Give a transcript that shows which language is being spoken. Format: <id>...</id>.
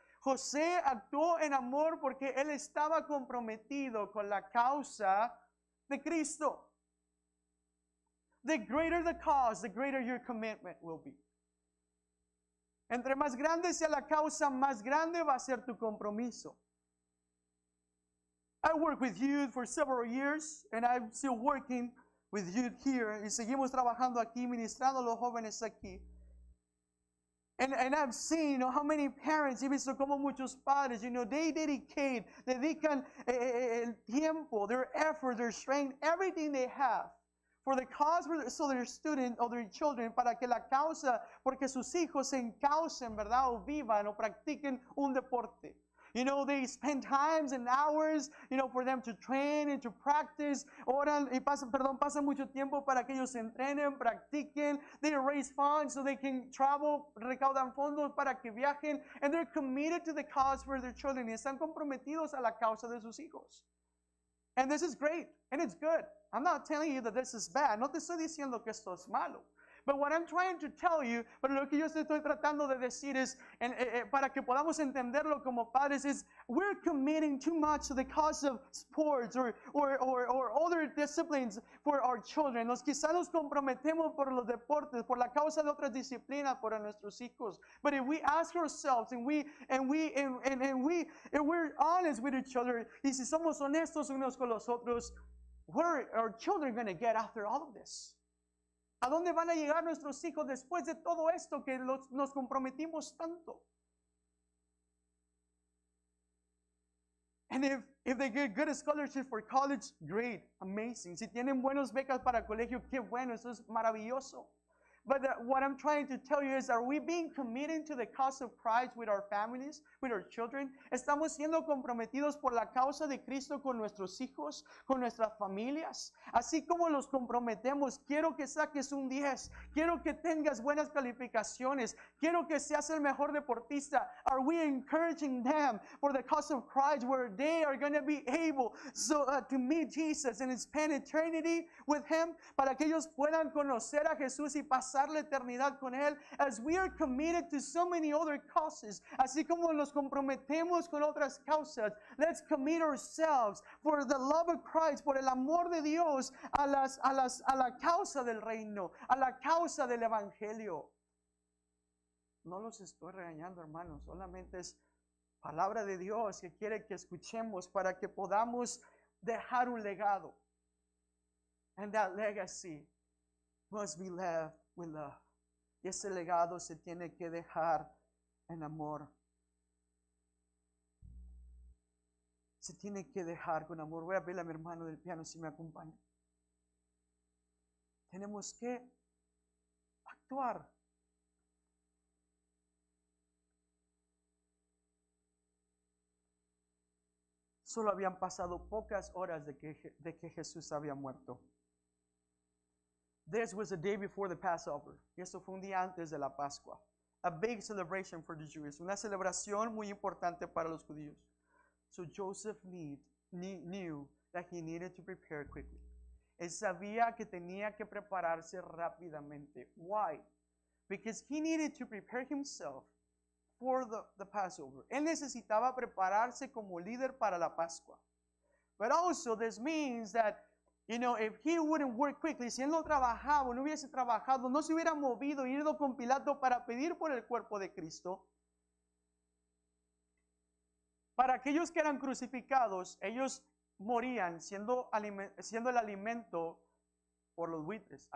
<es>José actuó en amor porque él estaba comprometido con la causa de Cristo.</es> <en>The greater the cause, the greater your commitment will be.</en> <es>Entre más grande sea la causa, más grande va a ser tu compromiso.</es> <en>I worked with youth for several years, and I'm still working with youth here.</en> <es>Y seguimos trabajando aquí, ministrando a los jóvenes aquí.</es> <en>And I've seen, you know, how many parents,</en> <es>he visto como muchos padres,</es> <en>you know, they</en> <es>dedican el tiempo,</es> <en>their effort, their strength, everything they have for the cause, so their student or their children,</en> <es>para que la causa, porque sus hijos se encausen, verdad, o vivan, o practiquen un deporte.</es> <en>You know, they spend times and hours, you know, for them to train and to practice.</en> <es>Oran, y pasan mucho tiempo para que ellos entrenen, practiquen.</es> <en>They raise funds so they can travel,</en> <es>recaudan fondos para que viajen.</es> <en>And they're committed to the cause for their children.</en> <es>Y están comprometidos a la causa de sus hijos.</es> <en>And this is great. And it's good. I'm not telling you that this is bad.</en> <es>No te estoy diciendo que esto es malo.</es> <en>But what I'm trying to tell you,</en> <es>pero lo que yo estoy tratando de decir es, para que podamos entenderlo como padres,</es> <en>is we're committing too much to the cause of sports or other disciplines for our children.</en> <es>Quizá nos comprometemos por los deportes, por la causa de otras disciplinas, por nuestros hijos.</es> <en>But if we ask ourselves and we're honest with each other,</en> <es>y si somos honestos unos con los otros,</es> <en>what are our children going to get after all of this?</en> <es>¿A dónde van a llegar nuestros hijos después de todo esto que nos comprometimos tanto?</es> <en>And if they get good scholarships for college, great, amazing.</en> <es>Si tienen buenas becas para colegio, qué bueno, eso es maravilloso.</es> <en>But what I'm trying to tell you is, are we being committed to the cause of Christ with our families, with our children?</en> <es>¿Estamos siendo comprometidos por la causa de Cristo con nuestros hijos, con nuestras familias? Así como los comprometemos, quiero que saques un 10, quiero que tengas buenas calificaciones, quiero que seas el mejor deportista.</es> <en>Are we encouraging them for the cause of Christ, where they are going to be able to meet Jesus and spend eternity with him,</en> <es>para que ellos puedan conocer a Jesús y pasar pasar la eternidad con Él,</es> <en>as we are committed to so many other causes,</en> <es>así como nos comprometemos con otras causas,</es> <en>let's commit ourselves for the love of Christ,</en> <es>por el amor de Dios, a la causa del reino, a la causa del evangelio. No los estoy regañando, hermanos, solamente es palabra de Dios que quiere que escuchemos para que podamos dejar un legado.</es> <en>And that legacy must be left with love.</en> <es>Y ese legado se tiene que dejar en amor. Se tiene que dejar con amor. Voy a pedirle a mi hermano del piano si me acompaña. Tenemos que actuar. Solo habían pasado pocas horas de que Jesús había muerto.</es> <en>This was the day before the Passover.</en> <es>Y eso fue un día antes de la Pascua.</es> <en>A big celebration for the Jews.</en> <es>Una celebración muy importante para los judíos.</es> <en>So Joseph knew that he needed to prepare quickly.</en> <es>Él sabía que tenía que prepararse rápidamente.</es> <en>Why? Because he needed to prepare himself for the Passover.</en> <es>Él necesitaba prepararse como líder para la Pascua.</es> <en>But also this means that, you know, if he wouldn't work quickly,</en> <es>si él no trabajaba, no hubiese trabajado, no se hubiera movido, ido con Pilato para pedir por el cuerpo de Cristo, para aquellos que eran crucificados, ellos morían siendo el alimento por los buitres.</es>